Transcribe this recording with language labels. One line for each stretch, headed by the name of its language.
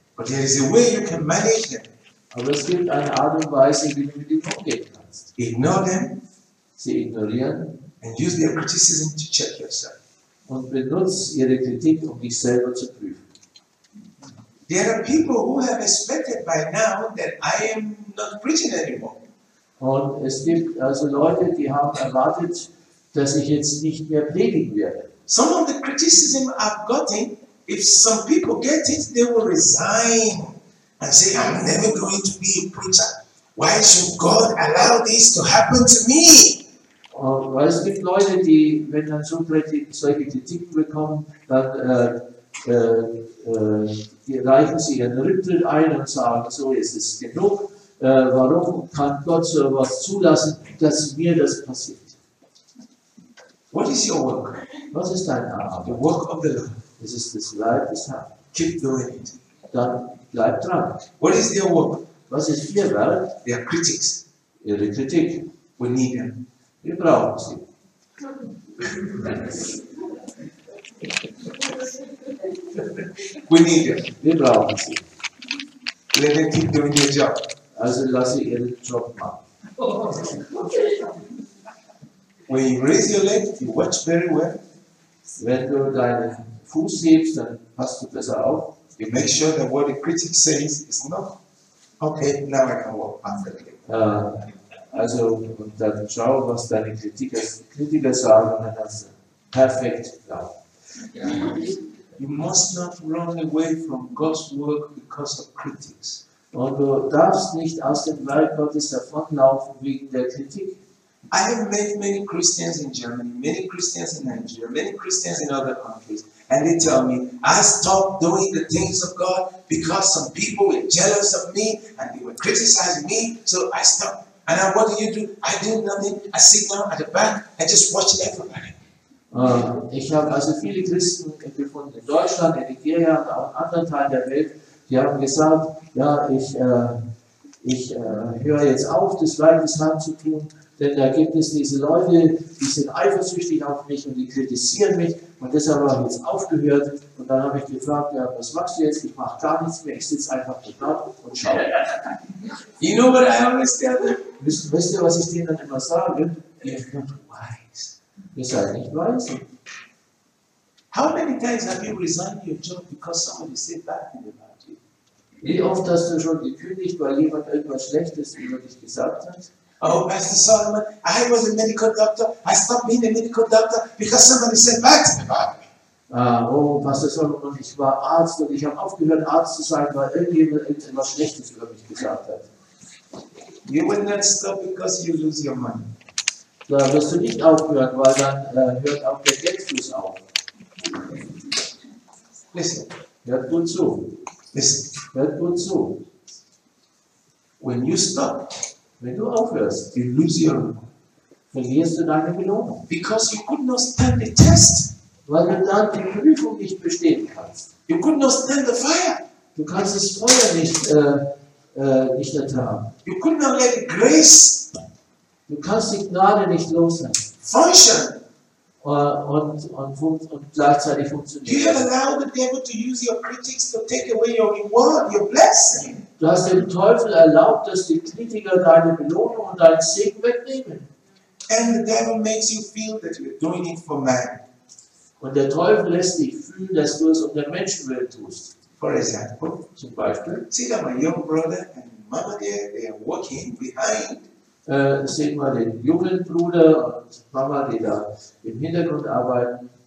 English: But there is a way you can manage them.
German: Aber es gibt eine Art und Weise, wie du mit ihnen umgehen kannst.
English: Ignore them.
German: Sie ignorieren.
English: And use their criticism to check yourself.
German: Und benutze ihre Kritik, um dich selber zu prüfen.
English: There are people who have expected by now that I am not preaching anymore.
German: Und es gibt also Leute, die haben erwartet, dass ich jetzt nicht mehr predigen werde.
English: Some of the criticism I've gotten, if some people get it, they will resign and say, I'm never going to be a preacher. Why should God allow this to happen to me?
German: Und weil es gibt Leute, die, wenn dann so solche Kritik bekommen, dann reichen sie ihren Rücktritt ein und sagen, so ist es genug. Warum kann Gott so etwas zulassen, dass mir das passiert?
English: What is your work?
German: Was ist deine Arbeit?
English: The work of the Lord.
German: Es ist das Leib des Herrn.
English: Keep doing it.
German: Dann bleib dran.
English: What is their work?
German: Was ist ihr Werk?
English: They are critics.
German: Ihre Kritik.
English: We need them.
German: Wir brauchen sie.
English: We need them.
German: Wir brauchen sie.
English: Let them keep doing their job.
German: Also lasse ich ihren Job machen.
English: When you raise your leg, you watch very well.
German: Wenn du deinen Fuß hebst, dann passt du besser auf.
English: You make sure that what the critic says is not. Okay, now I can walk after the leg.
German: Also, und dann schau, was deine Kritiker sagen, dann hast du perfekt laufen.
English: You must not run away from God's work because of critics.
German: Und du darfst nicht aus dem Werk Gottes davonlaufen wegen der Kritik.
English: I have met many Christians in Germany, many Christians in Nigeria, many Christians in other countries, and they tell me, I stopped doing the things of God because some people were jealous of me and they were criticizing me, so I stopped. And I, what do? I do nothing. I sit down at the back and just watch everybody.
German: Ich habe also viele Christen gefunden in Deutschland, in Nigeria und auch in anderen Teilen der Welt. Die haben gesagt, ja, ich höre jetzt auf, das Leid des Herrn zu tun, denn da gibt es diese Leute, die sind eifersüchtig auf mich und die kritisieren mich. Und deshalb habe ich jetzt aufgehört. Und dann habe ich gefragt, ja, was machst du jetzt? Ich mache gar nichts mehr. Ich sitze einfach da und schaue.
English: You know what I always tell them?
German: Wisst ihr, was ich denen dann immer sage?
English: You're not wise.
German: Ihr seid nicht weise.
English: How many times have you resigned your job because somebody said bad things about you?
German: Wie oft hast du schon gekündigt, weil jemand irgendwas Schlechtes über dich gesagt hat?
English: Oh, Pastor Solomon, I was a medical doctor. I stopped being a medical doctor because somebody said bad things about me.
German: Oh, Pastor Solomon, ich war Arzt und ich habe aufgehört, Arzt zu sein, weil irgendjemand etwas Schlechtes über mich gesagt hat.
English: You will not stop because you lose your money.
German: Da wirst du nicht aufhören, weil dann hört auch der Geldfluss auf.
English: Listen.
German: Hört gut zu.
English: Listen.
German: Hört gut zu.
English: When you stop,
German: wenn du aufhörst,
English: you lose your
German: verlierst du deine Belohnung.
English: Because you could not stand the test.
German: Weil du dann die Prüfung nicht bestehen kannst.
English: You could not stand the fire.
German: Du kannst das Feuer nicht ertragen.
English: You could not let grace.
German: Du kannst die Gnade nicht loslassen.
English: Function.
German: Und gleichzeitig funktionieren.
English: You have allowed the devil to use your critics to take away your reward, your blessing.
German: Du hast dem Teufel erlaubt, dass die Kritiker deine Belohnung und deinen Segen wegnehmen.
English: And the devil makes you feel that you're doing it for man.
German: Und der Teufel lässt dich fühlen, dass du es um der Menschenwelt tust.
English: For example,
German: zum Beispiel,
English: see that my young brother and mama there, they are walking behind.
German: Seht mal den jungen Bruder und Mama, die da im Hintergrund arbeiten.